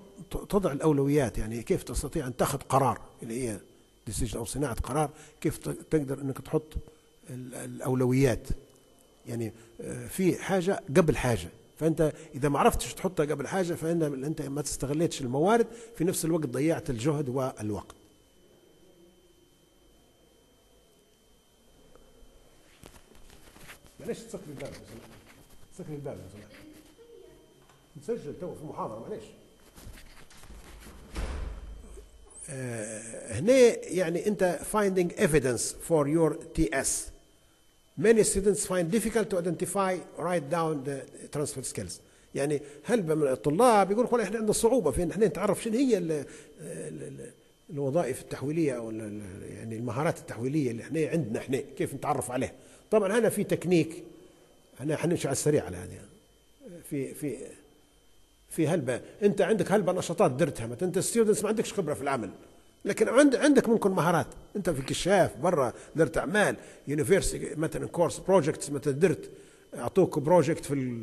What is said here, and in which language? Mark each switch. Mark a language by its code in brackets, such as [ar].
[ar] تضع الأولويات، يعني كيف تستطيع أن تأخذ قرار اللي هي decision أو صناعة قرار، كيف تقدر أنك تحط الأولويات، يعني في حاجة قبل حاجة، فأنت إذا ما عرفتش تحطها قبل حاجة فأنت ما تستغليتش الموارد، في نفس الوقت ضيعت الجهد والوقت. معليش تسكري الباب يا سمحت، تسكري الباب يا سمحت، نسجل توا في المحاضرة معليش. هنا يعني أنت [en] finding evidence for your TS. Many students find difficult to identify, write down the transfer skills. [ar] يعني هل من الطلاب يقول لك احنا عندنا صعوبه في ان احنا نتعرف شنو هي الوظائف التحويليه او يعني المهارات التحويليه اللي احنا عندنا، احنا كيف نتعرف عليها؟ طبعا هنا في تكنيك، احنا حنمشي على السريع على هذه، في في في هلبة انت عندك هلبة نشاطات درتها، ما انت ستودنتس ما عندكش خبره في العمل، لكن عندك ممكن مهارات، انت في كشاف برا درت اعمال يونيفرسيتي مثلا [en] course projects, [ar] مثلا درت اعطوك بروجكت في